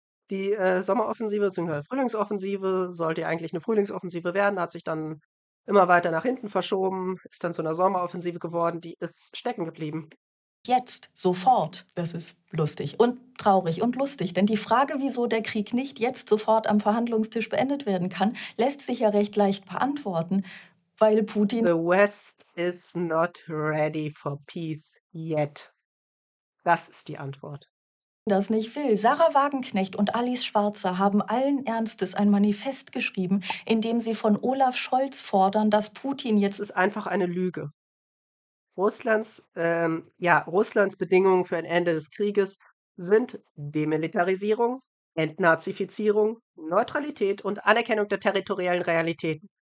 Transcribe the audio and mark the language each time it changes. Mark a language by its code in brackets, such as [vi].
[de] Die Sommeroffensive bzw. Frühlingsoffensive sollte ja eigentlich eine Frühlingsoffensive werden, hat sich dann immer weiter nach hinten verschoben, ist dann zu einer Sommeroffensive geworden, die ist stecken geblieben. Jetzt, sofort, das ist lustig und traurig und lustig, denn die Frage, wieso der Krieg nicht jetzt sofort am Verhandlungstisch beendet werden kann, lässt sich ja recht leicht beantworten. weil Putin. [en] The West is not ready for peace yet. [de] Das ist die Antwort. Das nicht will. Sarah Wagenknecht und Alice Schwarzer haben allen Ernstes ein Manifest geschrieben, in dem sie von Olaf Scholz fordern, dass Putin jetzt. Das ist einfach eine Lüge. Russlands Bedingungen für ein Ende des Krieges sind Demilitarisierung, Entnazifizierung, Neutralität und Anerkennung der territoriellen Realitäten.